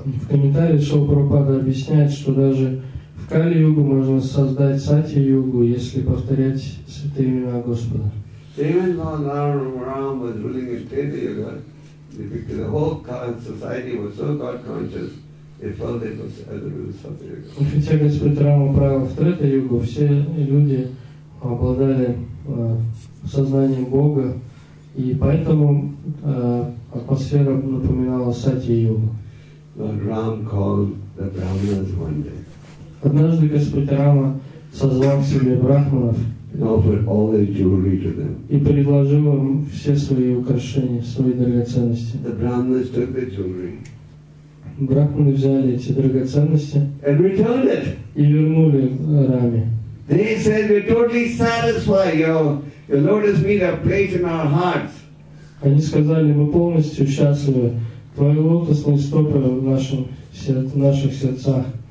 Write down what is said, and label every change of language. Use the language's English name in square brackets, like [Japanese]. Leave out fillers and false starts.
[Russian] В комментариях Шрила Прабхупада объясняет, что даже в Кали-югу можно создать Сатья-югу, если повторять святые имена Господа. [English] Even though Lord Ram was ruling in Treta-yuga, because the whole society was so God-conscious, they felt they must have to do Satya-yuga. [Russian] Хотя Господь Рама правил в Трета-югу, все люди обладали сознанием Бога, и поэтому атмосфера напоминала Сатья-йогу. [English] Lord Ram called the Brahmanas one day. [Russian] Однажды Господь Рама созвал себе брахманов [English] and offered all their jewelry to them. [Russian] И предложил им все свои украшения, свои драгоценности. [English] The Brahmanas took the jewelry. [Russian] Брахманы взяли эти драгоценности [English] and returned it. [Russian] И вернули Раме. [English] They said, we're totally satisfied, your lotus feet have place in our hearts. [Russian] Они сказали, мы полностью счастливы. Твои лотосные стопы в наших сердцах.